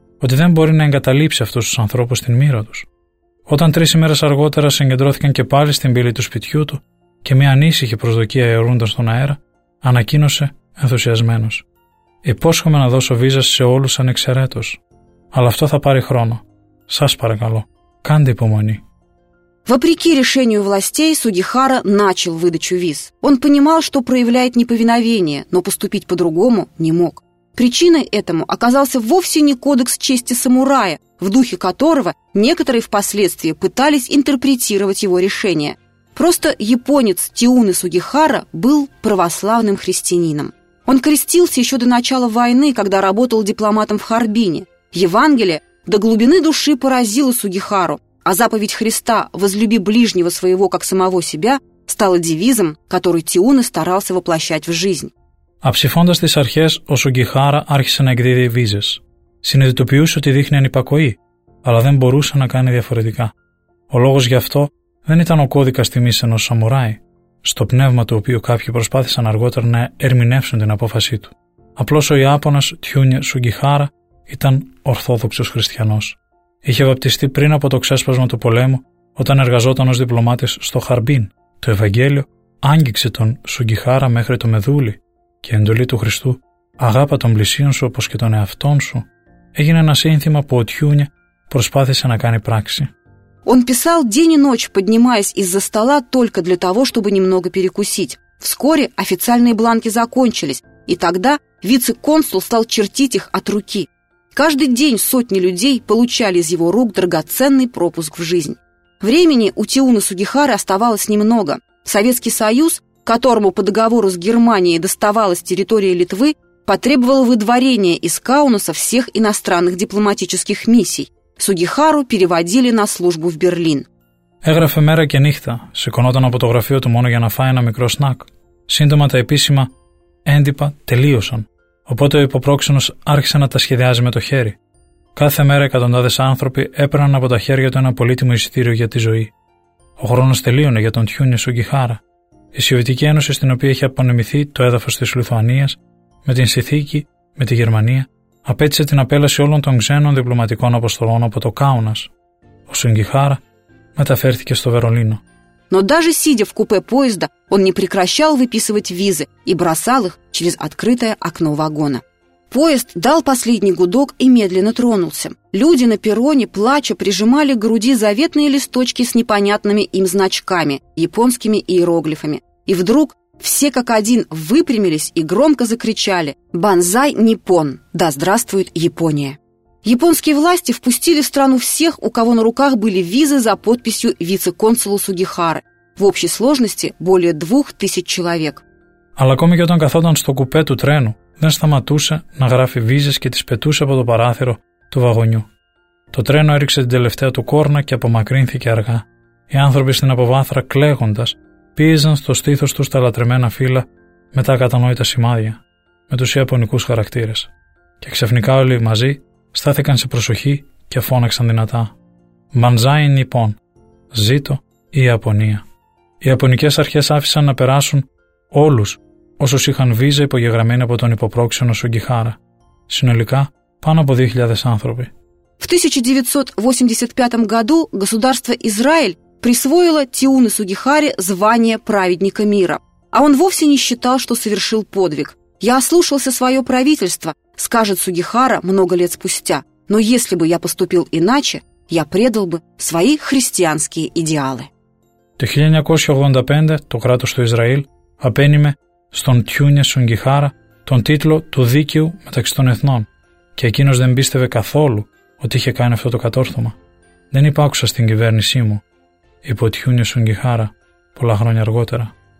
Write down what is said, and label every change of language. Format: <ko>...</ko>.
<el>ότι δεν μπορεί να εγκαταλείψει αυτούς τους ανθρώπους στην μοίρα τους. Όταν τρεις ημέρες αργότερα συγκεντρώθηκαν και πάλι στην πύλη του σπιτιού του και μια ανήσυχη προσδοκία αιωρούνταν στον αέρα, ανακοίνωσε ενθουσιασμένος: «Υπόσχομαι να δώσω βίζα σε όλους ανεξαιρέτως. Αλλά αυτό θα πάρει χρόνο. Σας παρακαλώ, κάντε υπομονή».</el> <ru>Вопреки решению властей, Сугихара начал выдачу виз. Он понимал, что проявляет неповиновение, но поступить по-другому не мог. Причиной этому оказался вовсе не кодекс чести самурая, в духе которого некоторые впоследствии пытались интерпретировать его решение. Просто японец Тиуны Сугихара был православным христианином. Он крестился еще до начала войны, когда работал дипломатом в Харбине. Евангелие до глубины души поразило Сугихару, а заповедь Христа «Возлюби ближнего своего, как самого себя» стала девизом, который Тиуны старался воплощать в жизнь.</ru> <el>Αψηφώντας τις αρχές, ο Σουγκιχάρα άρχισε να εκδίδει βίζες. Συνειδητοποιούσε ότι δείχνει ανυπακοή, αλλά δεν μπορούσε να κάνει διαφορετικά. Ο λόγος γι' αυτό δεν ήταν ο κώδικας τιμής ενός σαμουράι, στο πνεύμα του οποίου κάποιοι προσπάθησαν αργότερα να ερμηνεύσουν την απόφασή του. Απλώς ο Ιάπωνας Τιούνι Σουγκιχάρα ήταν ορθόδοξος χριστιανός. Είχε βαπτιστεί πριν από το ξέσπασμα του πολέμου, όταν εργαζόταν ως διπλωμάτης στο Χαρμπίν. Το Ευαγγέλιο άγγιξε τον Σουγκιχάρα μέχρι το μεδούλι. Και η εντολή του Χριστού «Αγάπα τον πλησίον σου όπως και τον εαυτόν σου» έγινε ένα σύνθημα που ο Τιούνια προσπάθησε να κάνει πράξη.</el> <ru>Он писал день и ночь, поднимаясь из-за стола только для того, чтобы немного перекусить. Вскоре официальные бланки закончились, и тогда вице-консул стал чертить их от руки. Каждый день сотни людей получали из его рук драгоценный пропуск в жизнь. Времени у Тиуны Сугихары оставалось немного. Советский Союз, которому по договору с Германией доставалась территория Литвы, потребовал выдворения из Каунаса всех иностранных дипломатических миссий. Сугихару переводили на службу в Берлин.</ru> <el>Έγραφε μέρα και νύχτα, σηκωνόταν από το γραφείο του μόνο για να φάει ένα μικρό σνακ. Σύντομα τα επίσημα έντυπα τελείωσαν. Οπότε ο υποπρόξενος άρχισε να τα σχεδιάζει με το χέρι. Κάθε μέρα εκατοντάδες άνθρωποι έπαιρναν από τα χέρια του ένα πολύτιμο εισιτήριο για τη ζωή. Ο χρόνος τελείωνε για τον Τιούνι Σουγκιχάρα. Η Σοβιετική Ένωση, στην οποία είχε απονεμηθεί το έδαφος της Λιθουανίας, με την συνθήκη με τη Γερμανία, απέτυχε την απέλαση όλων των ξένων διπλωματικών αποστολών από το Κάουνας. Ο Σουγκιχάρα μεταφέρθηκε στο Βερολίνο.</el> <ru>Но даже сидя в купе поезда, он не прекращал выписывать визы и бросал их через открытое окно вагона. Поезд дал последний гудок и медленно тронулся. Люди на перроне, плача, прижимали к груди заветные листочки с непонятными им значками, японскими иероглифами. И вдруг все как один выпрямились и громко закричали:</ru> <ja>«Банзай Ниппон!</ja> <ru>Да здравствует Япония!» Японские власти впустили в страну всех, у кого на руках были визы за подписью вице-консула Сугихары. В общей сложности более 2000 человек.</ru> <el>Αλλά ακόμη και όταν καθόταν στο κουπέ του τρένου, δεν σταματούσε να γράφει βίζες και τις πετούσε από το παράθυρο του βαγονιού. Το τρένο έριξε την τελευταία του κόρνα και απομακρύνθηκε αργά. Οι άνθρωποι στην αποβάθρα, κλαίγοντας, πίεζαν στο στήθος τους τα λατρεμένα φύλλα με τα ακατανόητα σημάδια, με τους ιαπωνικούς χαρακτήρες. Και ξαφνικά όλοι μαζί στάθηκαν σε προσοχή και φώναξαν δυνατά:</el> <ja>«Μπανζάι Νιππόν!</ja> <el>Ζήτω η Ιαπωνία!» Οι ιαπωνικές αρχές άφησαν να περάσουν όλους όσους είχαν βίζα υπογεγραμμένη από τον υποπρόξενο Σουγκιχάρα. Συνολικά πάνω από 2.000 άνθρωποι.</el> <ru>В 1985 году государство Израиль присвоило Тиуны Сугихаре звание праведника мира. А он вовсе не считал, что совершил подвиг. «Я ослушался свое правительство», скажет Сугихара много лет спустя. «Но если бы я поступил иначе, я предал бы свои христианские идеалы».</ru> <el>Το 1985 το κράτος του Ισραήλ απένιμε στον Τιούνια Σουγκιχάρα τον τίτλο του δίκαιου μεταξύ των εθνών, και εκείνος δεν πίστευε καθόλου ότι είχε κάνει αυτό το κατόρθωμα. «Δεν υπάκουσα στην κυβέρνησή μου», είπε ο Τιούνια Σουγκιχάρα πολλά χρόνια αργότερα.</el>